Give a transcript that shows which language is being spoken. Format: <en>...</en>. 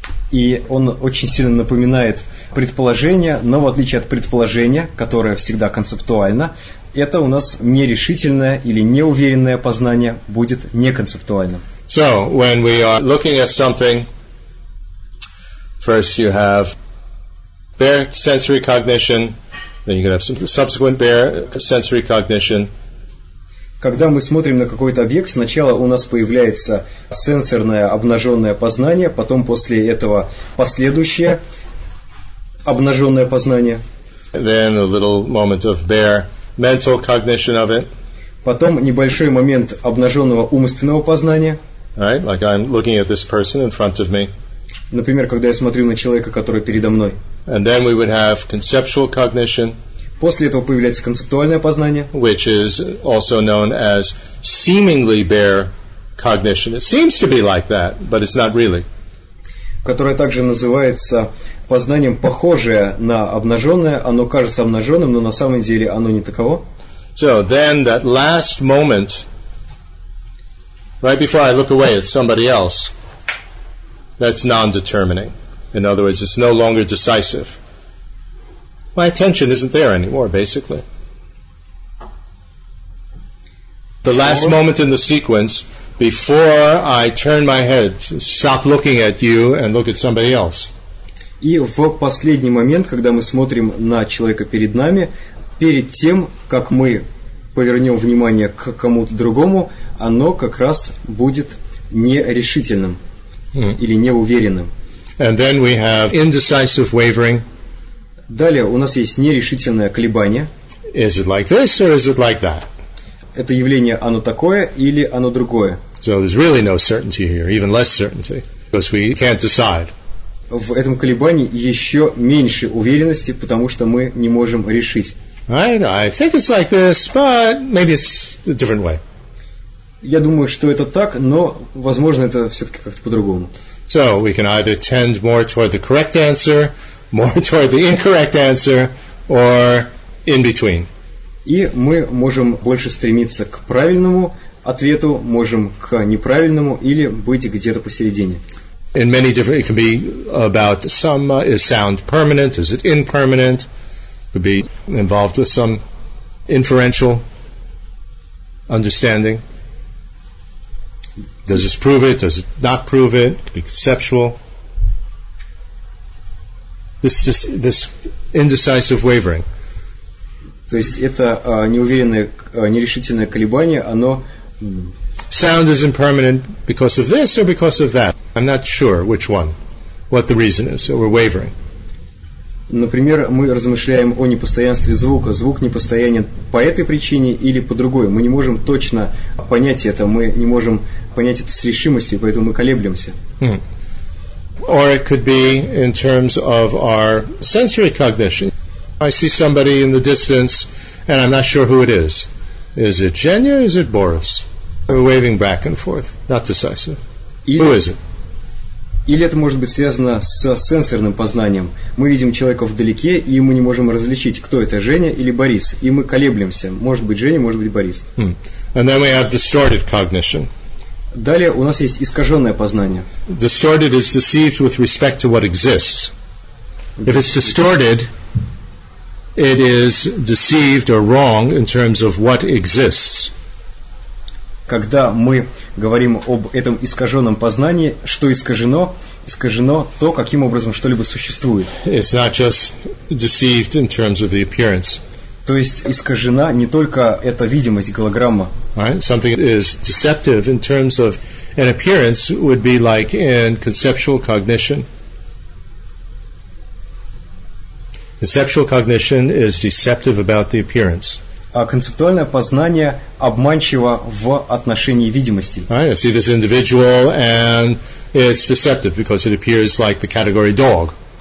<ru>И он очень сильно напоминает предположение, но в отличие от предположения, которое всегда концептуально, это у нас нерешительное или неуверенное познание будет неконцептуальным.</ru> <en>So, when we are looking at something, first you have bare sensory cognition, then you can have some subsequent bare sensory cognition.</en> <ru>Когда мы смотрим на какой-то объект, сначала у нас появляется сенсорное обнаженное познание, потом после этого последующее обнаженное познание.</ru> <en>Then a little moment of bare mental cognition of it.</en> <ru>Потом небольшой момент обнаженного умственного познания.</ru> <en>Right, like I'm looking at this person in front of me.</en> <ru>Например, когда я смотрю на человека, который передо мной.</ru> <en>And then we would have conceptual cognition.</en> <ru>После этого появляется концептуальное познание,</ru> <en>which is also known as seemingly bare cognition. It seems to be like that, but it's not really.</en> <ru>которое также называется познанием, похожее на обнаженное. Оно кажется обнаженным, но на самом деле оно не таково.</ru> <en>So then that last moment, right before I look away at somebody else, that's non-determining. In other words, it's no longer decisive. My attention isn't there anymore, basically. The last moment in the sequence, before I turn my head, stop looking at you and look at somebody else.</en> <ru>И в последний момент, когда мы смотрим на человека перед нами, перед тем, как мы повернем внимание к кому-то другому, оно как раз будет нерешительным или неуверенным.</ru> <en>And then we have indecisive wavering.</en> <ru>Далее у нас есть нерешительное колебание.</ru> <en>Is it like this or is it like that?</en> <ru>Это явление, оно такое или оно другое?</ru> <en>So there's really no certainty here, even less certainty, because we can't decide.</en> <ru>В этом колебании еще меньше уверенности, потому что мы не можем решить.</ru> <en>I think it's like this, but maybe it's a different way.</en> <ru>Я думаю, что это так, но, возможно, это все-таки как-то по-другому.</ru> <en>So we can either tend more toward the correct answer, more toward the incorrect answer, or in between.</en> <ru>И мы можем больше стремиться к правильному ответу, можем к неправильному или быть где-то посередине.</ru> <en>In many different, it can be about some is sound permanent, is it impermanent? It could be involved with some inferential understanding. Does this prove it? Does it not prove it? It could be conceptual. This indecisive wavering.</en> <ru>То есть это неуверенное, нерешительное колебание, оно...</ru> <en>Sound is impermanent because of this or because of that. I'm not sure which one, what the reason is, so we're wavering.</en> <ru>Например, мы размышляем о непостоянстве звука. Звук непостоянен по этой причине или по другой. Мы не можем точно понять это, мы не можем понять это с решимостью, поэтому мы колеблемся. Hmm.</ru> <en>Or it could be in terms of our sensory cognition. I see somebody in the distance, and I'm not sure who it is. Is it Jenya or is it Boris? We're waving back and forth, not decisive.</en> <ru>Или,</ru> <en>who is it?</en> <ru>Или это может быть связано с сенсорным познанием. Мы видим человека вдалеке, и мы не можем различить, кто это, Женя или Борис. И мы колеблемся. Может быть, Женя, может быть, Борис.</ru> <en>Hmm. And then we have distorted cognition.</en> <ru>Далее у нас есть искаженное познание.</ru> <en>Distorted is deceived with respect to what exists. If it's distorted... It is deceived or wrong in terms of what exists.</en> <ru>Когда мы говорим об этом искаженном познании, что искажено? Искажено то, каким образом что-либо существует.</ru> <en>It's not just deceived in terms of the appearance.</en> <ru>То есть искажена не только эта видимость, голограмма.</ru> <en>Right? Something is deceptive in terms of an appearance would be like in conceptual cognition. Conceptual cognition is deceptive about the appearance.</en> <ru>А концептуальное познание обманчиво в отношении видимости.</ru> <en>I see this individual and it's deceptive because it appears like the category dog.</en>